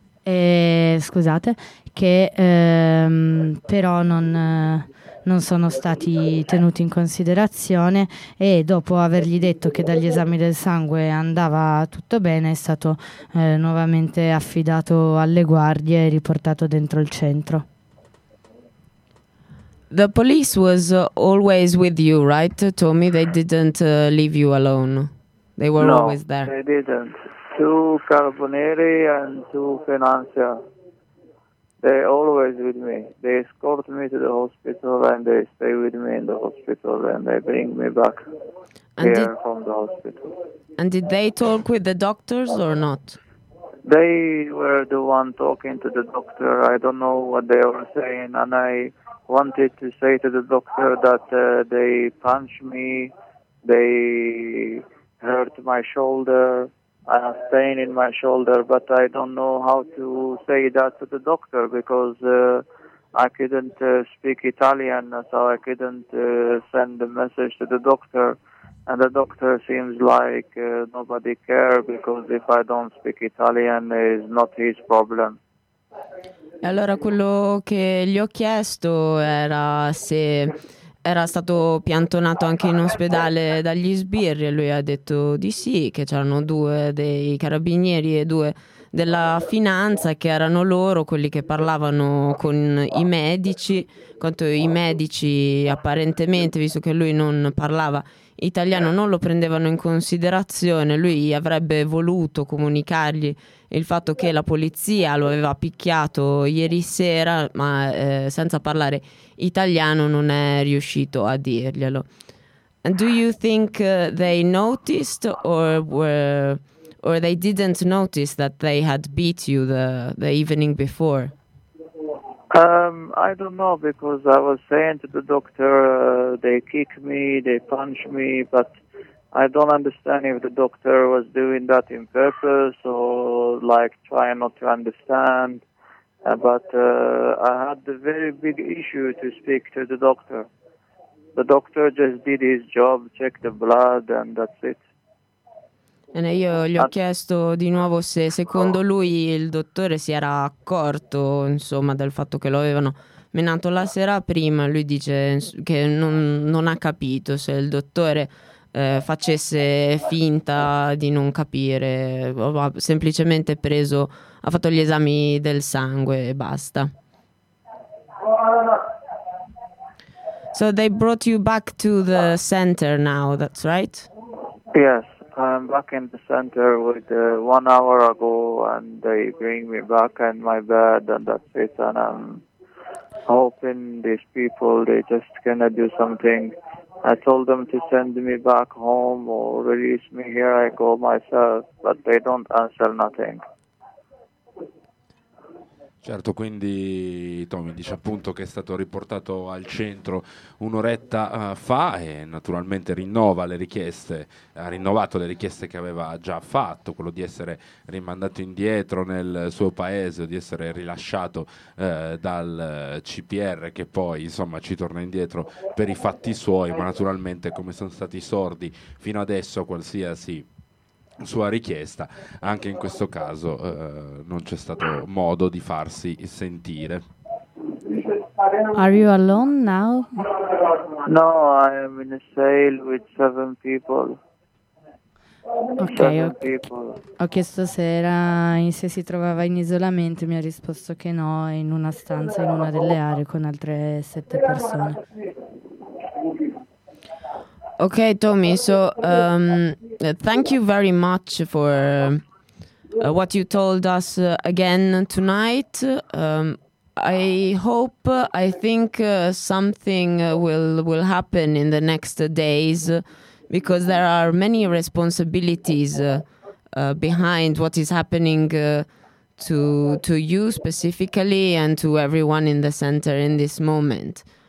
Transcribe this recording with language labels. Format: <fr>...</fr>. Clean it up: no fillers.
<it>e, scusate, che però non sono stati tenuti in considerazione, e dopo avergli detto che dagli esami del sangue andava tutto bene, è stato nuovamente affidato alle guardie e riportato dentro il centro.</it> <en>The police was always with you, right, Tommy? They didn't leave you alone. They were always there. No, they didn't. Two carabinieri and two finanzieri. They're always with me. They escort me to the hospital and they stay with me in the hospital and they bring me back here from the hospital. And did they talk with the doctors or not? They were the one talking to the doctor. I don't know what they were saying. And I wanted to say to the doctor that they punched me, they hurt my shoulder. I have pain in my shoulder, but I don't know how to say that to the doctor because I couldn't speak Italian, so I couldn't send the message to the doctor. And the doctor seems like nobody cares, because if I don't speak Italian, it's not his problem.</en> <it>E allora quello che gli ho chiesto era se era stato piantonato anche in ospedale dagli sbirri, e lui ha detto di sì, che c'erano due dei carabinieri e due della finanza, che erano loro quelli che parlavano con i medici, quanto i medici apparentemente, visto che lui non parlava italiano, non lo prendevano in considerazione. Lui avrebbe voluto comunicargli il fatto che la polizia lo aveva picchiato ieri sera, ma senza parlare italiano non è riuscito a dirglielo.</it> <en>Do you think they noticed or were or they didn't notice that they had beat you the evening before? I don't know, because I was saying to the doctor, they kick me, they punch me, but I don't understand if the doctor was doing that in purpose or like trying not to understand. But I had a very big issue to speak to the doctor. The doctor just did his job, checked the blood, and that's it.</en> <it>E io gli ho chiesto di nuovo se secondo lui il dottore si era accorto, insomma, del fatto che lo avevano menato la sera prima. Lui dice che non ha capito, se il dottore facesse finta di non capire, ha semplicemente preso, ha fatto gli esami del sangue e basta.</it> <en>So they brought you back to the center now, that's right? Yes. I'm back in the center with 1 hour ago, and they bring me back in my bed, and that's it. And I'm hoping these people, they just gonna do something. I told them to send me back home or release me. Here I go myself, but they don't answer nothing.</en> <it>Certo, quindi Tommy dice appunto che è stato riportato al centro un'oretta fa e naturalmente rinnova le richieste, ha rinnovato le richieste che aveva già fatto, quello di essere rimandato indietro nel suo paese o di essere rilasciato dal CPR, che poi insomma ci torna indietro per i fatti suoi, ma naturalmente come sono stati sordi fino adesso qualsiasi sua richiesta, anche in questo caso non c'è stato modo di farsi sentire.</it> <en>Are you alone now? No, I am in a cell with 7 people.</en> <it>Okay, ho chiesto se si trovava in isolamento, mi ha risposto che no, in una stanza in una delle aree con altre 7 persone.</it> <en>Okay, Tommy, so thank you very much for what you told us again tonight. I think something will happen in the next days, because there are many responsibilities behind what is happening to you specifically and to everyone in the center in this moment.</en>